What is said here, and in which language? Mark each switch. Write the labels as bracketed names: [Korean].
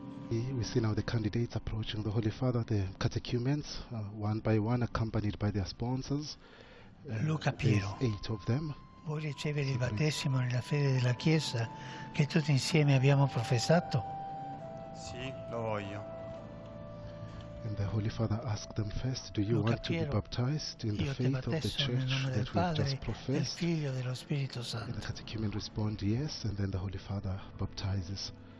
[English] We see now the candidates approaching the Holy Father, the catechumens, one by one, accompanied by their sponsors. Luca Piero. Eight of them. [Italian] Vuoi ricevere il battesimo nella fede della Chiesa che tutti insieme abbiamo professato? Sì, lo voglio. [English] And the Holy Father asked them first, "Do you want to be baptized in the faith of the Church that we have just professed?" [Italian] Il Figlio dello Spirito Santo. [English] And the catechumen respond, "Yes," and then the Holy Father baptizes.